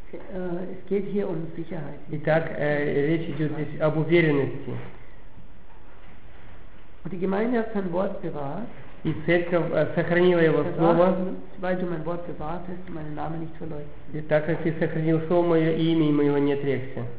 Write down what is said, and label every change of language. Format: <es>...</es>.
<ru>Итак, речь идет здесь об уверенности.</ru> <de>Und die Gemeinde hat sein Wort bewahrt.</de> <ru>И церковь сохранила его слово.</ru> <de>Weil du mein Wort bewahrt hast, meinen Namen nicht verleugnet.</de> <ru>Так как ты сохранил слово мое, имя моего не отрекся.</ru>